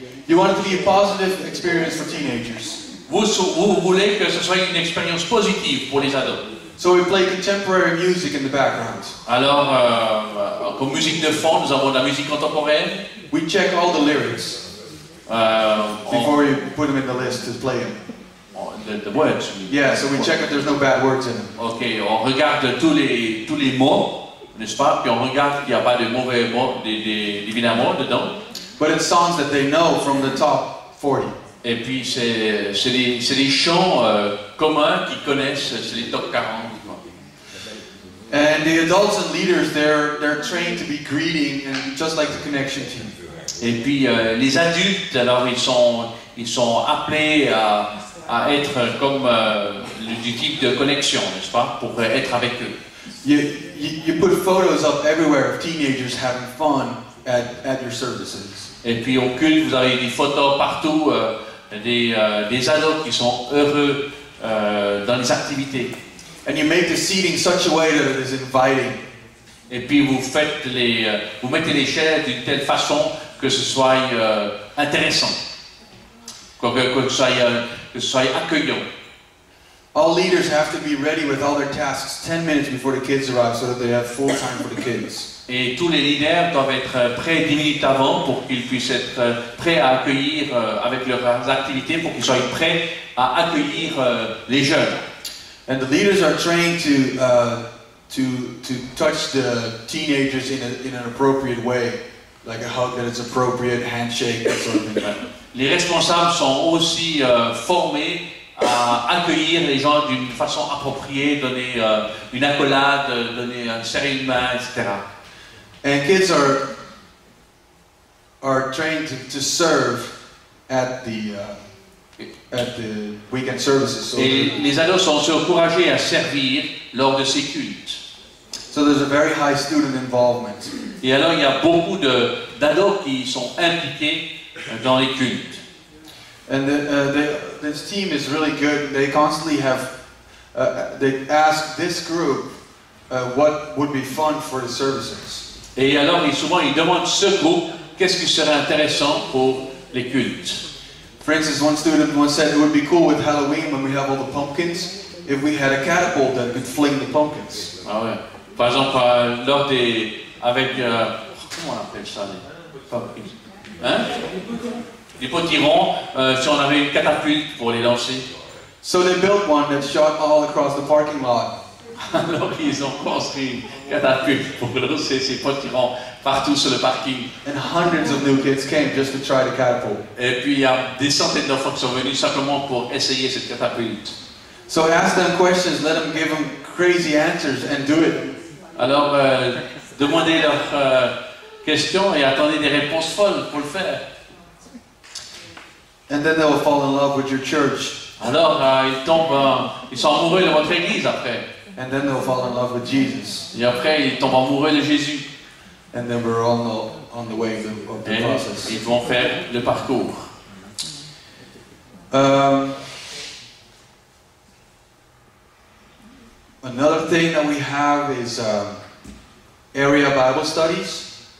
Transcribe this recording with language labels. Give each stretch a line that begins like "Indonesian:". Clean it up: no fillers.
English: You want it to be a positive experience for teenagers.
French: Vous voulez que ce soit une expérience positive pour les ados.
English: So we play contemporary music in the background.
French: Alors, comme musique de fond, nous avons de la musique contemporaine.
English: We check all the lyrics before we put them in the list to play them. The words. Yeah, so we check if there's no bad words in them.
French: Okay, on regarde tous les mots, n'est-ce pas? Puis on regarde qu'il n'y a pas de mauvais mots, des divins mots dedans.
English: But it's songs that they know from the top 40.
French: Et puis c'est des chants communs qu'ils connaissent, c'est les top 40.
English: And the adults and leaders, they're trained to be greeting and just like the connection team.
French: Et puis les adultes, alors ils sont appelés à être comme du type de connexion, n'est-ce pas, pour être avec eux.
English: You put photos up everywhere of teenagers having fun at your services.
French: Et puis au culte, vous avez des photos partout des ados qui sont heureux dans les activités.
English: And you make the seating such a way that it is inviting.
French: Et puis vous mettez les chaises d'une telle façon que ce soit intéressant, que ce soit accueillant.
English: All leaders have to be ready with all their tasks 10 minutes before the kids arrive so that they have full time for the kids.
French: Et tous les leaders doivent être prêts 10 minutes avant pour qu'ils puissent être prêts à accueillir avec leurs activités, pour qu'ils soient prêts à accueillir les jeunes.
English: And the leaders are trained to touch the teenagers in an appropriate way, like a hug that is appropriate, handshake, that sort of thing.
French: Les responsables sont aussi formés à accueillir les gens d'une façon appropriée, donner une accolade, donner un serré de main, etc.
English: And kids are trained to serve at the weekend services.
French: So et les ados sont aussi encouragés à servir lors de ces cultes.
English: So there's a very high student involvement.
French: Et alors il y a beaucoup d'ados qui sont impliqués dans les cultes.
English: And this team is really good. They constantly have they ask this group what would be fun for the services.
French: Et alors, souvent, ils demandent ce groupe, qu'est-ce qui serait intéressant pour les cultes.
English: For instance, one student once said it would be cool with Halloween when we have all the pumpkins if we had a catapult that could fling the pumpkins.
French: Ah ouais. Par exemple, lors des avec comment on appelle ça les pumpkins, hein? Les potirons, si on avait une catapulte pour les lancer.
English: So they built one that shot all across the parking lot.
French: Alors ils ont construit une catapulte pour lancer ces potirons partout sur le parking.
English: And hundreds of new kids came just to try the catapult.
French: Et puis il y a des centaines d'enfants qui sont venus simplement pour essayer cette catapulte.
English: So ask them questions, let them give them crazy answers and do it.
French: Alors demandez leurs questions et attendez des réponses folles pour le faire.
English: And then they will fall in love with your church.
French: Alors ils sont amoureux de votre église après.
English: And then they'll fall in love with Jesus.
French: Et après ils tombent amoureux de Jésus.
English: And then we're all on the way of the process.
French: Ils vont faire le parcours.
English: Another thing that we have is area Bible studies.